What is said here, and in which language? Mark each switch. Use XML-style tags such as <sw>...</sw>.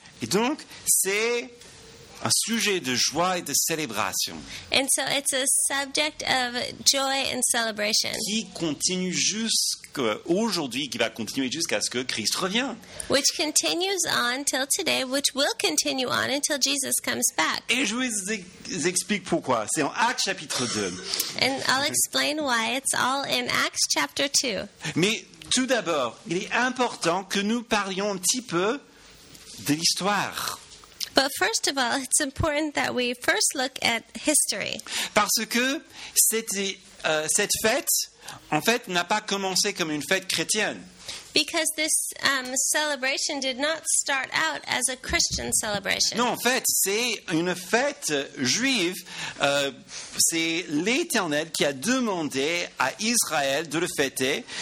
<fr>Et donc, c'est un sujet de joie et de célébration.</fr> <en>And so it's a subject of joy and celebration.</en> <fr>Qui continue jusqu'aujourd'hui, qui va continuer jusqu'à ce que Christ revient.</fr> <en>Which continues on till today, which will continue on until Jesus comes back.</en> <fr>Et je vous explique pourquoi. C'est en Actes chapitre 2.</fr> <en>And I'll explain why. It's all in Acts chapter 2.</en> <fr>Mais tout d'abord, il est important que nous parlions un petit peu de l'histoire.</fr> <en>But first of all, it's important that we first look at history.</en> <fr>Parce que cette fête, en fait, n'a pas commencé comme une fête chrétienne.</fr> <en>Because this celebration did not start out as a Christian celebration.</en> <fr>Non, en fait, c'est une fête juive. C'est l'Éternel qui a demandé à Israël de le fêter.</fr>